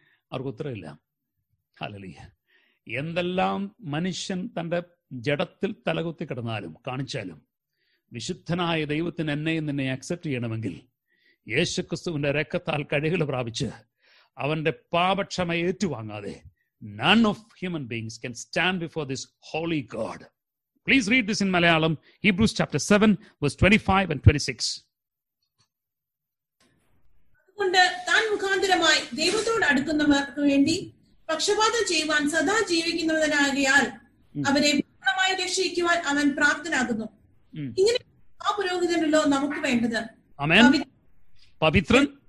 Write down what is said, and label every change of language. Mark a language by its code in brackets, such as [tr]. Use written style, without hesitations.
[ml] അവർക്ക് ഉത്തരമില്ല. ഹല്ലേലൂയ. എന്തെല്ലാം മനുഷ്യൻ തൻ്റെ ജഡത്തിൽ തലകുത്തി കിടന്നാലും കാണിച്ചാലും വിശുദ്ധനായ ദൈവത്തിന് എന്നെയും നിന്നെ അക്സെപ്റ്റ് ചെയ്യണമെങ്കിൽ യേശുക്രിസ്തുവിന്റെ രക്തത്താൽ കഴുകല് പ്രാപിച്ച് അവന്റെ പാപക്ഷമ ഏറ്റുവാങ്ങാതെ [en] None of human beings can stand before this holy God. Please read this in Malayalam, Hebrews chapter 7, verse 25 and 26. [ml] അതുകൊണ്ട് താൻ മുഖാന്തരമായി ദൈവത്തോട് അടുക്കുന്നവർക്ക് വേണ്ടി പക്ഷപാതം ചെയ്യുവാൻ സദാ ജീവിക്കുന്നവനാകിയാൽ അവരെ പൂർണ്ണമായി രക്ഷിക്കുവാൻ അവൻ പ്രാപ്തനാകുന്നു. ഇങ്ങനെ ആ പുരോഹിതനല്ലോ നമുക്ക് വേണ്ടത്. ആമേൻ. പവിത്രൻ,